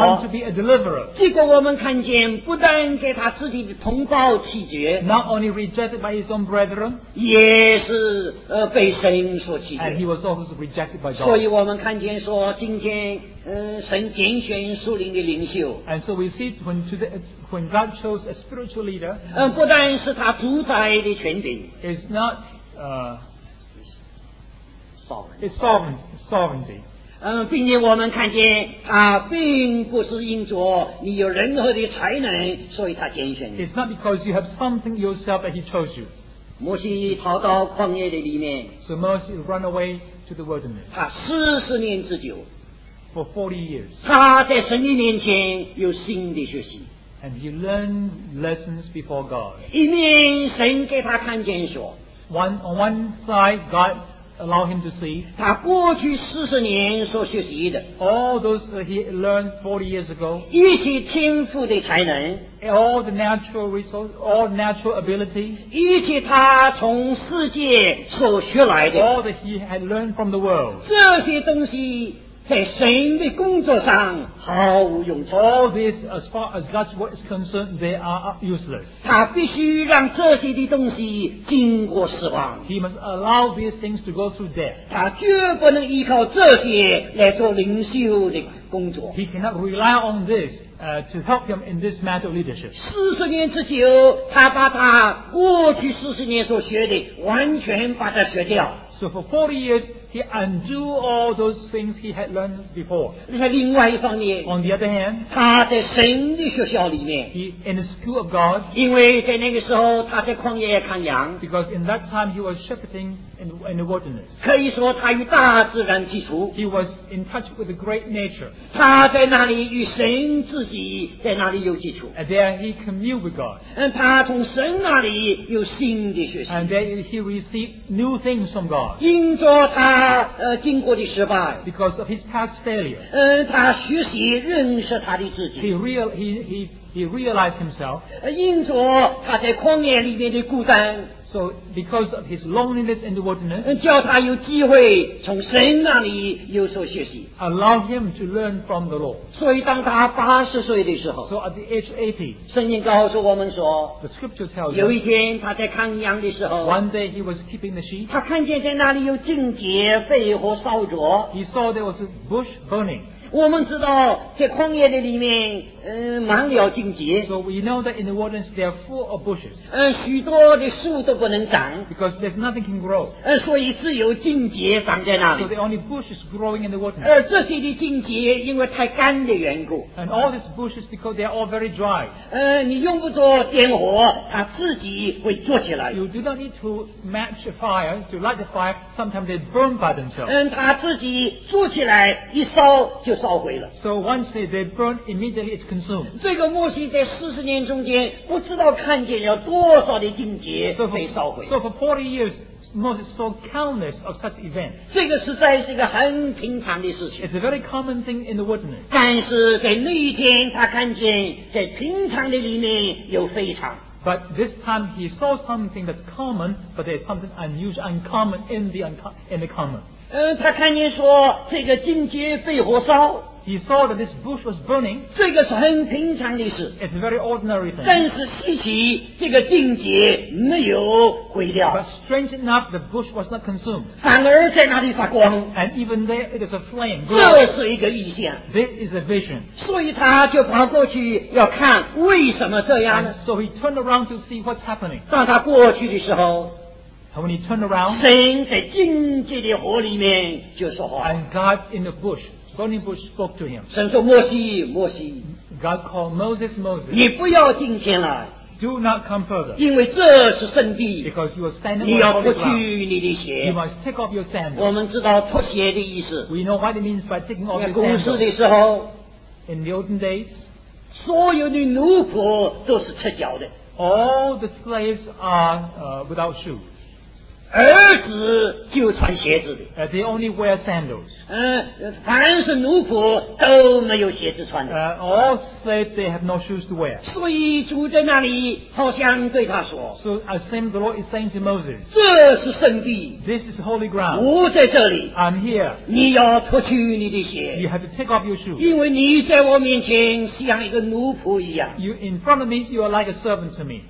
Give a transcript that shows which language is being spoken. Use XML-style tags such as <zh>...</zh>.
<en>want to be a deliverer.</en> <zh>结果我们看见不但给他自己的同胞弃绝</zh> <en>not only rejected by his own brethren,</en> <zh>也是被神所弃绝</zh> <en>and he was also rejected by God.</en> <zh>所以我们看见说今天神拣选属灵的领袖</zh> <en>and so we see when God chose a spiritual leader</en> <zh>不但是他主宰的权柄</zh> <en>is not sovereignty</en> <zh>并且我们看见他并不是因着你有任何的才能所以他拣选你</zh> <en>it's not because you have something yourself that he chose you</en> <zh>摩西逃到旷野的里面</zh> <en>so Moses ran away to the wilderness</en> <zh>他四十年之久</zh> <en>For 40 years.</en> <zh>他在神的面前有新的学习。</zh> <en>And he learned lessons before God.</en> <zh>一面神给他看见说。</zh> <en>On one side, God allowed him to see.</en> <zh>他过去四十年所学习的。</zh> <en>All those that he learned 40 years ago.</en> <zh>一切天赋的才能。</zh> <en>All the natural resources, all natural abilities.</en> <zh>一切他从世界所学来的。</zh> <en>All that he had learned from the world.</en> <zh>这些东西在神的工作上毫无用处。</zh> <en>All this, as far as God's work is concerned, they are useless.</en> <zh>他必须让这些的东西经过死亡。</zh> <en>He must allow these things to go through death.</en> <zh>他绝不能依靠这些来做领袖的工作。</zh> <en>He cannot rely on this, to help him in this matter of leadership.</en> <zh>四十年之久，他把他过去四十年所学的完全把它学掉。</zh> <en>So for 40 years, he undo all those things he had learned before.</en> <zh>另外一方面,</zh> <en>On the other hand,</en> <zh>他在神的学校里面,</zh> <en>he, in the school of God,</en> <zh>因为在那个时候他在旷野看羊,</zh> <en>because in that time he was shepherding in the wilderness.</en> <zh>可以说他与大自然接触,</zh> <en>he was in touch with the great nature.</en> <zh>他在那里与神自己在那里有接触,</zh> <en>and there he communed with God.</en> <zh>他从神那里有新的学习,</zh> <en>and there he received new things from God.</en> <zh>因着他经过的失败</zh> <en>because of his past failure</en> <zh>他学习认识他的自己</zh> <en>he he realized himself.</en> <zh>因着他在旷野里面的孤单。</zh> <en>So because of his loneliness in the wilderness,</en> <zh>叫他有机会从神那里有所学习。</zh> <en>Allow him to learn from the Lord.</en> <zh>所以当他八十岁的时候。</zh> <en>So at the age of 80,</en> <zh>圣经告诉我们说。</zh> <en>The scripture tells us,</en> <zh>有一天他在看羊的时候。</zh> <en>One day he was keeping the sheep.</en> <zh>他看见在那里有荆棘、废和扫帚。</zh> <en>He saw there was a bush burning.</en> <zh>我们知道在旷野的里面满了荆棘</zh> <en>so we know that in the wilderness they are full of bushes</en> <zh>许多的树都不能长</zh> <en>because there's nothing can grow</en> <zh>所以只有荆棘长在那里</zh> <en>so the only bushes growing in the wilderness</en> <zh>这些的荆棘因为太干的缘故</zh> <en>and all these bushes because they are all very dry</en> <zh>你用不着点火它自己会做起来</zh> <en>you do not need to match a fire to light the fire sometimes they burn by themselves</en> <zh>它自己做起来一烧就</zh> <en>So once they burn, immediately it's consumed.</en> <zh>这个摩西在四十年中间不知道看见了多少的荆棘被烧毁。</zh> <en>So for 40 years, Moses saw countless of such events.</en> <zh>这个实在是一个很平常的事情。</zh> <en>It's a very common thing in the wilderness.</en> <zh>但是在那一天他看见在平常的里面有非常。</zh> <en>But this time he saw something that's common, but there's something unusual, uncommon in the common.</en> <zh>他看见说这个荆棘被火烧</zh> <en>He saw that this bush was burning</en> <zh>这个是很平常的事</zh> <en>It's a very ordinary thing</en> <zh>但是稀奇这个荆棘没有毁掉</zh> <en>But strange enough the bush was not consumed</en> <zh>反而在那里发光</zh> <en>And even there it is a flame</en> <zh>这是一个意象</zh> <en>This is a vision</en> <zh>所以他就跑过去要看为什么这样</zh> <en>And so he turned around to see what's happening</en> <zh>当他过去的时候</zh> <en>And when he turned around,</en> <zh>神在荆棘的火里面就说话。</zh> <en>And God in the bush, burning bush spoke to him.</en> <zh>神说摩西，摩西。</zh> <en>God called Moses, Moses.</en> <zh>你不要进前来。</zh> <en>Do not come further.</en> <zh>因为这是圣地。</zh> <en>Because you are standing</en> <zh>你要脱去你的鞋。</zh> <en>You must take off your sandals.</en> <zh>我们知道脱鞋的意思。</zh> <en>We know what it means by taking off your sandals.</en> <zh>在公司的时候。</zh> <en>In the olden days,</en> <zh>所有的奴仆都是赤脚的。</zh> <en>All the slaves are without shoes.</en> <zh>儿子就穿鞋子的。</zh> <en>They only wear sandals.</en> <zh>凡是奴仆都没有鞋子穿的。</zh> <en>All slaves they have no shoes to wear.</en> <zh>所以主在那里好像对他说。</zh> <en>So as same the Lord is saying to Moses.</en> <zh>这是圣地。</zh> <en>This is holy ground.</en> <zh>我在这里。</zh> <en>I'm here.</en> <zh>你要脱去你的鞋。</zh> <en>You have to take off your shoes.</en> <zh>因为你在我面前像一个奴仆一样。</zh> <en>You in front of me, you are like a servant to me.</en>